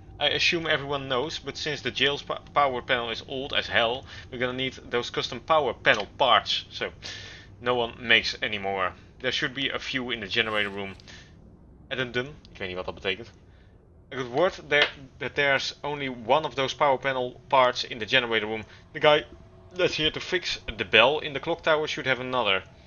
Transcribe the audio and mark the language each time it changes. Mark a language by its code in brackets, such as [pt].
[en] I assume everyone knows, but since the jail's power panel is old as hell, we're gonna need those custom power panel parts. So, no one makes anymore. There should be a few in the generator room. [nl] Addendum, ik weet niet wat dat betekent. [en] A good word that there's only one of those power panel parts in the generator room. The guy that's here to fix the bell in the clock tower should have another.